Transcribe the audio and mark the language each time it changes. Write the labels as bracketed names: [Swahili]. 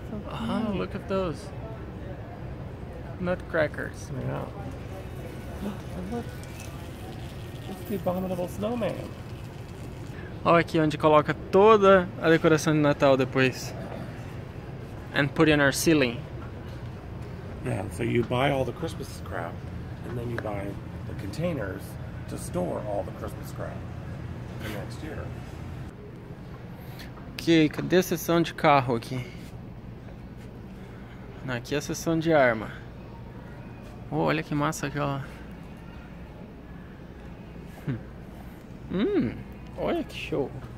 [English] Oh, look at those nutcrackers. Yeah. Look, look. It's the abominable snowman. [Portuguese] Olha aqui onde coloca toda a decoração de Natal depois. [English] And put in our ceiling. Yeah, so you buy all the Christmas crap, and then you buy the containers to store all the Christmas crap for next year. [Portuguese] Ok, cadê a seção de carro aqui? Não, aqui é a seção de arma. Oh, olha que massa aquela. Olha que show.